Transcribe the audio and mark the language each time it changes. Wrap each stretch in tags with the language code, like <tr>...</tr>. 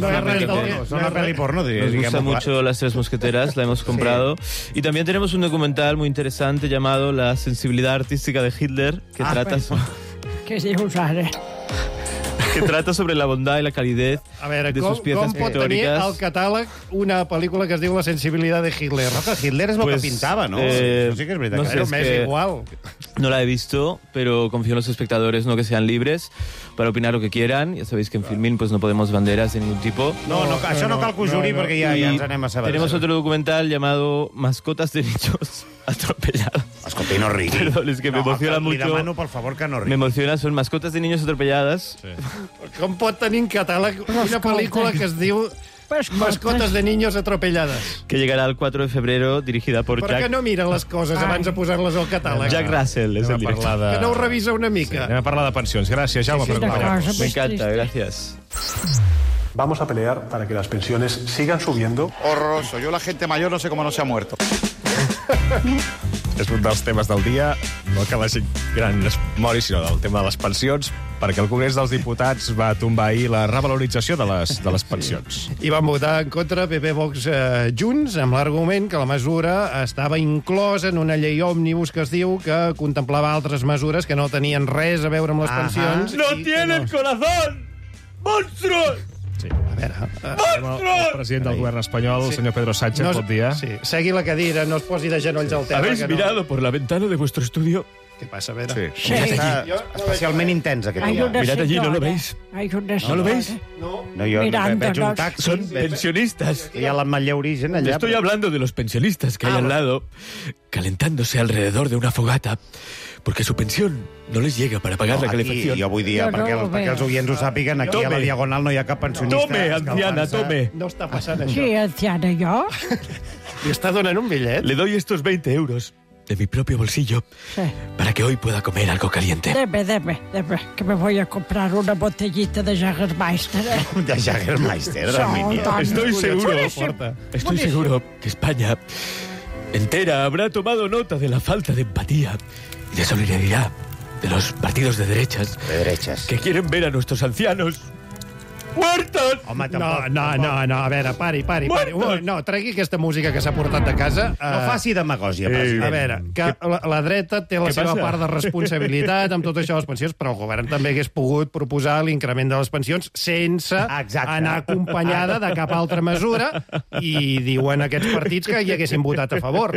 <ca>Sona peli porno, diríem.</ca> <es>Nos gusta mucho Las tres mosqueteras, la hemos comprado. Sí. Y también tenemos un documental muy interesante llamado La sensibilidad artística de Hitler, que trata...</es> <ca>¿Qué dius ara?</ca> <es>Que trata sobre la bondad y la calidez de sus piezas pictóricas.</es> <ca>A veure, com pot tenir al catàleg una pel·lícula que es diu La sensibilidad de Hitler? Hitler és el que pintava, no? Sí que és veritat, que era un mes igual.</ca> <es>No la he visto, pero confío en los espectadores, no, que sean libres para opinar lo que quieran. Ya sabéis que en Filmin pues no podemos banderas de ningún tipo.</es> <ca>No cal que ho juri, perquè ja ens anem a saber.</ca> <es>Tenemos otro documental llamado Mascotas de nichos atropelladas.</es> <ca>Escolta, i no rigui.</ca> <es>Perdón, es que me emociona mucho.</es> <ca>Li demano,</ca> <es>por favor,</es> <ca>que no rigui.</ca> <es>Me emociona, son Mascotas de niños atropelladas. Sí.</es> <ca>Com pot tenir en catàleg una pel·lícula que es diu...</ca> <es>Mascotas de niños atropelladas. Que llegará el 4 de febrero, dirigida por Jack...</es> <ca>Però que no miren les coses abans de posar-les al catàleg.</ca> <es>Jack Russell és el director.</es> <ca>Que no ho revisa una mica. Sí, anem a parlar de pensions. Gràcies, Jaume, per acompanyar-nos. M'encanta, gràcies.</ca> <es>Vamos a pelear para que las pensiones sigan subiendo. Horroroso. Yo la gente mayor no sé cómo no se ha muerto.</es> <ca>És un dels temes del dia, no que la gent gran es mori, sinó del tema de les pensions, perquè el Congrés dels Diputats va tombar ahir la revalorització de les pensions. Sí. I van votar en contra PP, Vox, Junts, amb l'argument que la mesura estava inclosa en una llei òmnibus que es diu que contemplava altres mesures que no tenien res a veure amb les pensions.</ca> <es>No tienen corazón, monstruos!</es> <ca>Sí, a veure... El president del govern espanyol, el senyor Pedro Sánchez, bon dia. Sí. Segui la cadira, no es posi de genolls al terra.</ca> <es>¿Habéis mirado por la ventana de vuestro estudio?</es> <ca>Què passa, a veure? Sí. Està especialment intens, aquest dia.</ca> <es>Mirad allí, ¿no lo veis? ¿No lo veis?</es> <ca>No, jo veig un taxi. Són pensionistas. Hi ha la malla origen allà.</ca> <es>Estoy hablando de los pensionistas que hay al lado, calentándose alrededor de una fogata, porque su pensión no les llega para pagar la calefacción.</es> <ca>Jo vull dir, perquè els oients ho sàpiguen, aquí a la Diagonal no hi ha cap pensionista.</ca> <es>Tome, anciana, tome.</es> <ca>No està passant això. Sí, anciana, jo. Li està donant un bitllet.</ca> <es>Le doy estos 20 euros de mi propio bolsillo para que hoy pueda comer algo caliente. Deme, que me voy a comprar una botellita de Jägermeister. De Jägermeister, dominio. Estoy seguro, estoy seguro que España entera habrá tomado nota de la falta de empatía y de solidaridad de los partidos de derechas. De derechas. Que quieren ver a nuestros ancianos muertos.</es> <ca>Home, no, a veure, pari.</ca> <es>Muertos.</es> <ca>No, tregui aquesta música que s'ha portat de casa. No faci demagògia, president. A veure, que la dreta té la seva part de responsabilitat amb tot això de les pensions, però el govern també hagués pogut proposar l'increment de les pensions sense anar acompanyada de cap altra mesura, i diuen aquests partits que hi haguessin votat a favor.</ca>